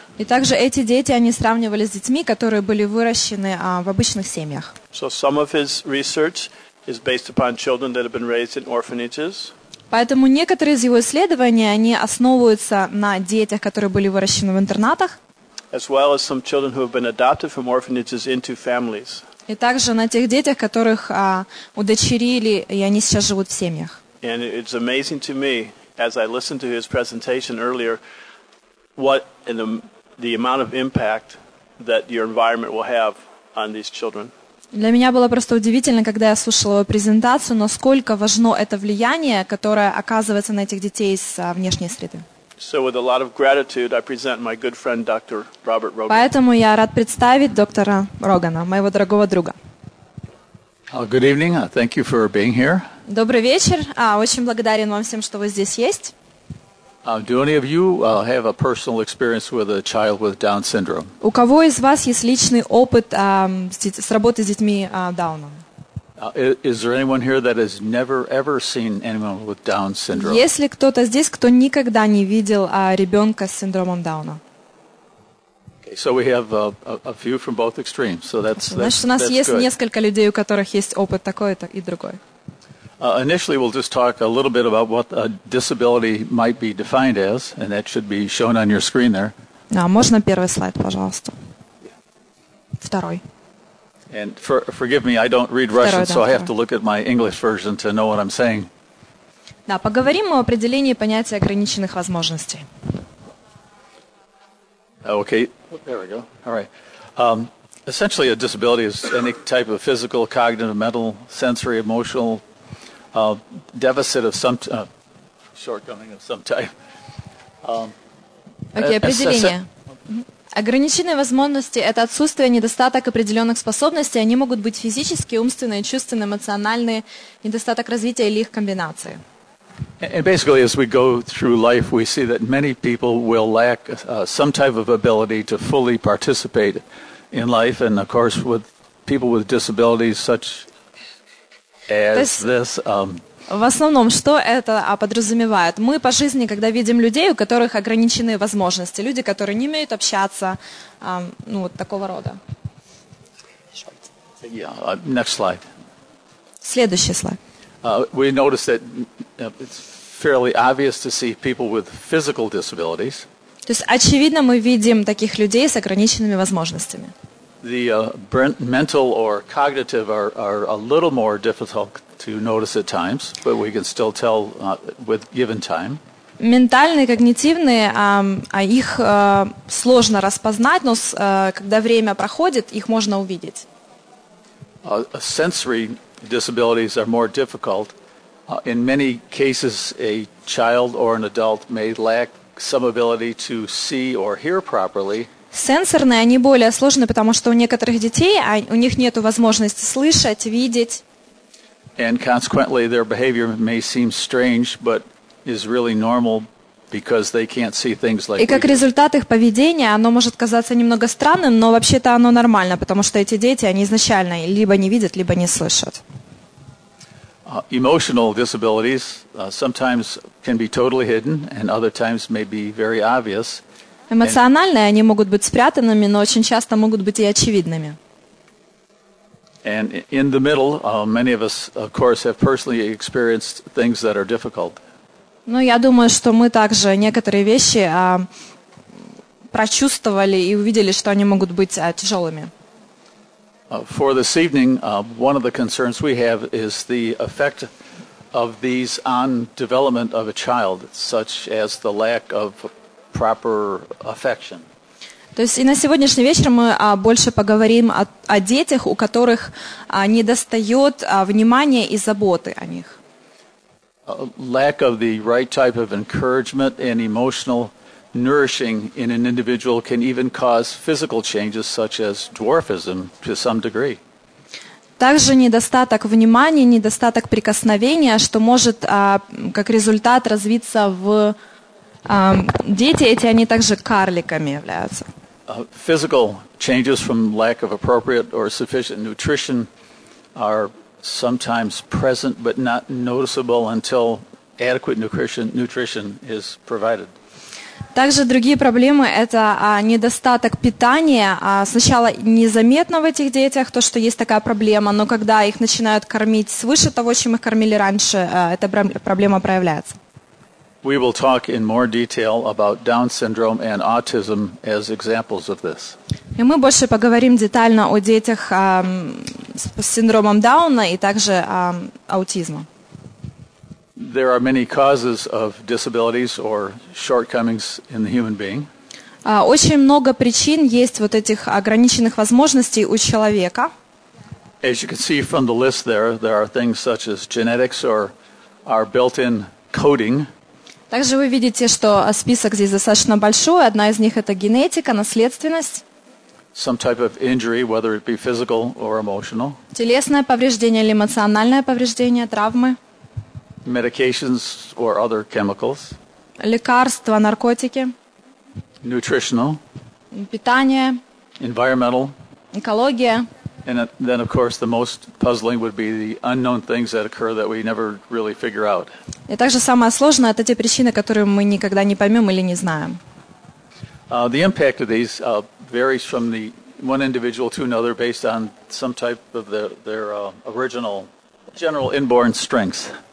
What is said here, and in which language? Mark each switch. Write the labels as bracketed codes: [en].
[ru] И также эти дети они сравнивали с детьми, которые были выращены в обычных семьях. [en] So some of his research is based upon children that have been raised in orphanages. [ru] Поэтому некоторые из его исследований они основываются на детях, которые были выращены в интернатах. [en] As well as some children who have been adopted from orphanages into families. [ru] И также на тех детях, которых удочерили, и они сейчас живут в семьях. [en] And it's amazing to me, as I listened to his presentation earlier, what the amount of impact that your environment will have on these children. [ru] Для меня было просто удивительно, когда я слушала его презентацию, насколько важно это влияние, которое оказывается на этих детей из внешней среды. [en] So with a lot of gratitude, I present my good friend, Dr. Robert Rogan. [ru] Поэтому я рад представить доктора Рогана, моего дорогого друга. [en] Good evening. Thank you for being here. [ru] Добрый вечер. Очень благодарен вам всем, что вы здесь есть. [en] Do any of you have a personal experience with a child with Down syndrome? [ru] У кого из вас есть личный опыт с работой с детьми Дауна? [en] Is there anyone here that has never ever seen anyone with Down syndrome? [ru] Есть ли кто-то здесь, кто никогда не видел ребенка с синдромом Дауна? [en] Okay, so we have a few from both extremes. So that's [ru] значит, у нас есть [en] good. [ru] Несколько людей, у которых есть опыт такой и другой. [en] Initially, we'll just talk a little bit about what a disability might be defined as, and that should be shown on your screen there. [ru] А можно первый слайд, пожалуйста? Второй. [en] And forgive me, I don't read Russian, so I have to look at my English version to know what I'm saying. [ru] Да, поговорим о определении понятия ограниченных возможностей. [en] Okay. There we go. All right. Essentially, a disability is any type of physical, cognitive, mental, sensory, emotional deficit of some shortcoming of some type. [ru] Okay, определение. Ограниченные возможности – это отсутствие, недостаток определенных способностей. Они могут быть физические, умственные, чувственные, эмоциональные, недостаток развития или их комбинации. [en] And basically, as we go through life, we see that many people will lack some type of ability to fully participate in life. And, of course, with people with disabilities such as this… [ru] В основном, что это подразумевает? Мы по жизни, когда видим людей, у которых ограничены возможности, люди, которые не умеют общаться, ну, вот такого рода. [en] Yeah, next slide. [ru] Следующий слайд. [en] We notice that it's fairly obvious to see people with physical disabilities. [ru] То есть, очевидно, мы видим таких людей с ограниченными возможностями. [en] The mental or cognitive are a little more difficult to notice at times, but we can still tell with given time. [ru] Ментальные, когнитивные, их сложно распознать, но когда время проходит, их можно увидеть. [en] Sensory disabilities are more difficult. In many cases, a child or an adult may lack some ability to see or hear properly. [ru] Сенсорные, они более сложны, потому что у некоторых детей, у них нет возможности слышать, видеть. [en] And consequently, their behavior may seem strange, but is really normal because they can't see things like we do. [ru] И как результат их поведения, оно может казаться немного странным, но вообще-то оно нормально, потому что эти дети, они изначально либо не видят, либо не слышат. [en] Emotional disabilities sometimes can be totally hidden, and other times may be very obvious. [ru] Эмоциональные, они могут быть спрятанными, но очень часто могут быть и очевидными. [en] And in the middle, many of us, of course, have personally experienced things that are difficult. [ru] Ну, я думаю, что мы также некоторые вещи прочувствовали и увидели, что они могут быть тяжелыми. [en] For this evening, one of the concerns we have is the effect of these on development of a child, such as the lack of proper affection. [ru] То есть и на сегодняшний вечер мы больше поговорим о детях, у которых недостает внимания и заботы о них. [en] Lack of the right type of encouragement and emotional nourishing in an individual can even cause physical changes such as dwarfism to some degree. [ru] Также недостаток внимания, недостаток прикосновения, что может как результат развиться в дети эти, они также карликами являются. [en] Physical changes from lack of appropriate or sufficient nutrition are sometimes present but not noticeable until adequate nutrition is provided. [ru] Также другие проблемы – это недостаток питания. Сначала незаметно в этих детях то, что есть такая проблема, но когда их начинают кормить свыше того, чем их кормили раньше, эта проблема проявляется. [en] We will talk in more detail about Down syndrome and autism as examples of this. [ru] И мы больше поговорим детально о детях с синдромом Дауна и также аутизмом. [en] There are many causes of disabilities or shortcomings in the human being. [ru] Очень много причин есть вот этих ограниченных возможностей у человека. [en] As you can see from the list there are things such as genetics or our built-in coding. [ru] Также вы видите, что список здесь достаточно большой. Одна из них – это генетика, наследственность. [en] Some type of injury, whether it be physical or emotional. [ru] Телесное повреждение или эмоциональное повреждение, травмы. [en] Medications or other chemicals. [ru] Лекарства, наркотики. [en] Nutritional. [ru] Питание. [en] Environmental. [ru] Экология. [en] And then, of course, the most puzzling would be the unknown things that occur that we never really figure out. [ru] И также самое сложное – это те причины, которые мы никогда не поймем или не знаем. [en] The impact of these varies from the one individual to another based on some type of their original general inborn strengths.